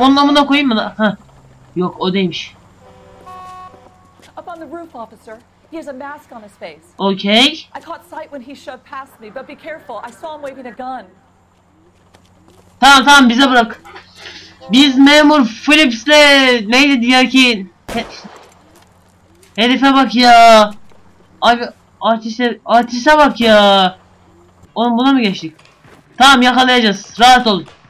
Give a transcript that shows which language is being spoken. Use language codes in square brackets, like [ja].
[tr] Onun amına koyayım mı? Hah. Yok, o değilmiş. [en] Up on the roof, officer. He has a mask on his face. Okay. I caught sight when he shoved past me, but be careful. I saw him waving a gun. [tr] Tamam tamam bize bırak. Biz memur Phillips'le neydi diğerki? Herife bak ya. Abi artiste bak ya. Oğlum buna mı geçtik? Tamam yakalayacağız. Rahat ol.